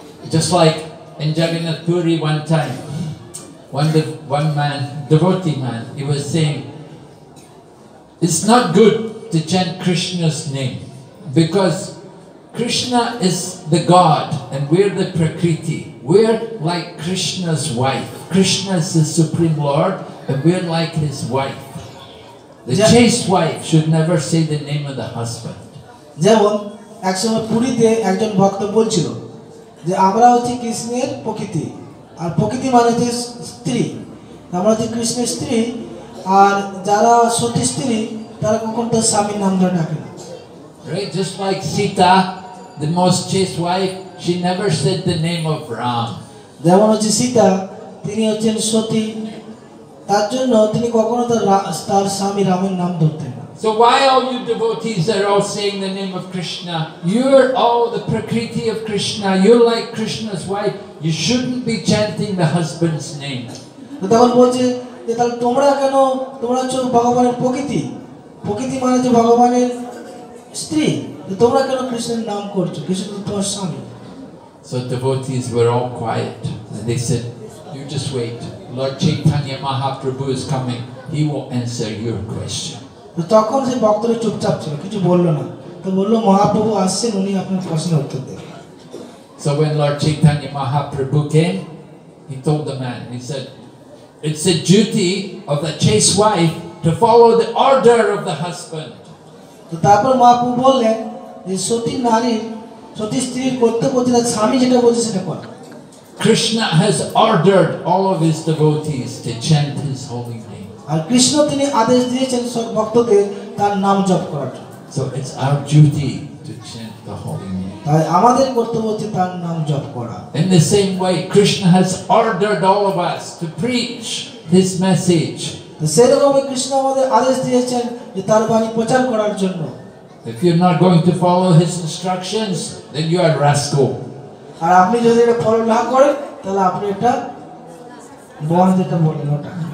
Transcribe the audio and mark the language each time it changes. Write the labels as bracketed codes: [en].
[en] Just like in Jagannath Puri one time, one devotee man, he was saying, it's not good to chant Krishna's name because Krishna is the God and we're the Prakriti. We're like Krishna's wife. Krishna is the Supreme Lord and we're like his wife. The chaste wife should never say the name of the husband. [bn] যেমন একসময় পুরীতে একজন ভক্ত বলছিল যে আমরা হচ্ছি কৃষ্ণের প্রকৃতি আর প্রকৃতি মানে হচ্ছে স্ত্রী, আমরা হচ্ছে কৃষ্ণের স্ত্রী আর যারা সতী স্ত্রী তারা কখন তো স্বামীর নাম ধরে ডাকে না. [en] Right, just like Sita, the most chaste wife, she never said the name of Ram. [bn] যেমন হচ্ছে সীতা, তিনি হচ্ছেন সতী, তার জন্য তিনি কখনো তার স্বামী রামের নাম ধরতেন. [en] So why all you devotees are all saying the name of Krishna? You're all the Prakriti of Krishna. You're like Krishna's wife. You shouldn't be chanting the husband's name. [bn] তখন বলছে যে তাহলে তোমরা কেন তোমরা হচ্ছে ভগবানের প্রকৃতি, প্রকৃতি মানে যে ভগবানের স্ত্রী, তোমরা কেন কৃষ্ণের নাম করছো, কৃষ্ণ তো তোমার স্বামী. [en] So devotees were all quiet and they said, you just wait, Lord Chaitanya Mahaprabhu is coming, he will answer your question. [bn] তখন সেই ভক্তরা চুপচাপ ছিল, কিছু বললো না, তো বললো মহাপ্রভু আসছেন, উনি আপনার প্রশ্নের উত্তর দেবেন. [en] So when Lord Chaitanya Mahaprabhu came, he told the man, he said, it's a duty of the chaste wife to follow the order of the husband. [bn] তো তারপর মহাপ্রভু বললেন যে সতী নারীর, সতী স্ত্রীর কর্তব্য যেটা, স্বামী যেটা বলছে সেটা কর. [en] Krishna has ordered all of his devotees to chant his holy name. [bn] আর কৃষ্ণ তিনি আদেশ দিয়েছেন সব ভক্তকে তার নাম জপ করার. [en] So it's our duty to chant the holy name. [bn] তাই আমাদের কর্তব্য হচ্ছে তার নাম জপ করা. [en] In the same way, Krishna has ordered all of us to preach his message. [bn] তো সেরকমই কৃষ্ণ আমাদের আদেশ দিয়েছেন যে তার বাণী প্রচার করার জন্য. [en] If you're not going to follow his instructions, then you are a rascal. [bn] আর আপনি যদি এটা ফলো না করেন তাহলে আপনি একটা বন যেটা বলেন ওটা.